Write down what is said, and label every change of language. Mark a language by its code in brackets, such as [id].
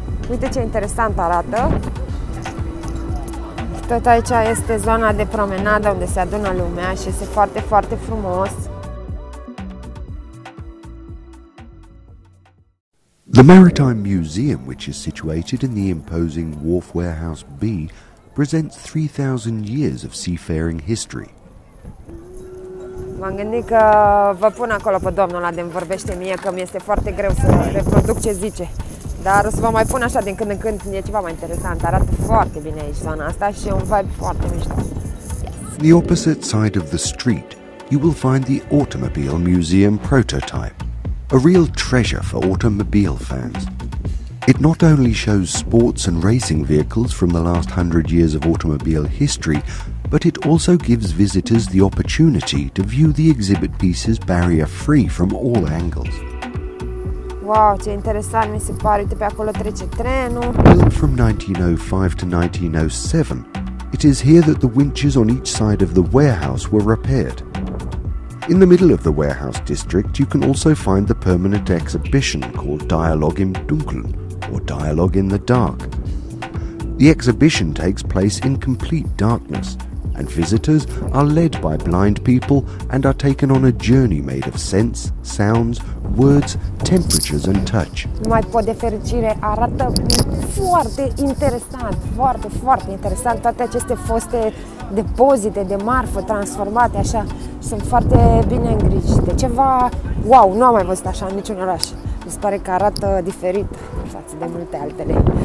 [ro] Uite ce interesant arată. Tot aici este zona de promenadă unde se adună lumea și este foarte, foarte frumos. [en] The Maritime Museum, which is situated in the imposing Wharf Warehouse B, presents 3,000 years of seafaring history. [ro] M-am gândit că vă pun acolo pe domnul ăla de-mi vorbește mie, că mi-este foarte greu să reproduc ce zice. Dar o să vă mai pun așa din când în când, e ceva mai interesant. Arată foarte bine aici zona asta și e un vibe foarte mișto. [en] Yes. The opposite side of the street, you will find the Automobile Museum prototype. A real treasure for automobile fans. It not only shows sports and racing vehicles from the last 100 years of automobile history, but it also gives visitors the opportunity to view the exhibit pieces barrier-free from all angles. [ro] Wow, ce interesant mi se pare. Uite, pe acolo trece trenul. [en] Built from 1905 to 1907, it is here that the winches on each side of the warehouse were repaired. In the middle of the warehouse district, you can also find the permanent exhibition called Dialogue im Dunkeln, or Dialogue in the Dark. The exhibition takes place in complete darkness, and visitors are led by blind people and are taken on a journey made of scents, sounds, words, temperatures and touch. [ro] Mai pot de fericire, arată foarte interesant, foarte, foarte interesant toate aceste foste depozite de marfă transformate așa, sunt foarte bine îngrijite. Ceva wow, nu am mai văzut așa în niciun oraș. Mi se pare că arată diferit față de multe altele.